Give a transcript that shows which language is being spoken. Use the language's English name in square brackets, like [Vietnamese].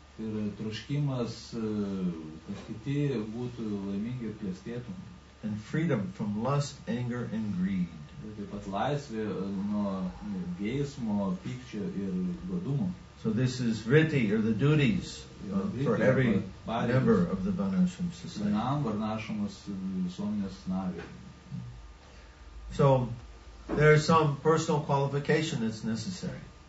[Lithuanian] ir troškimas, kad kiti būtų laimingi ir klestėtų. [English] And freedom from lust, anger, and greed. [Lithuanian] Taip pat laisvė nuo geismo, pykčio ir godumo. [English] So this is vritti, or the duties for every member of the Vanashram society. [Lithuanian] Vienam Vanashramos visuomenės nariui. [English] So there is some personal qualification that's necessary.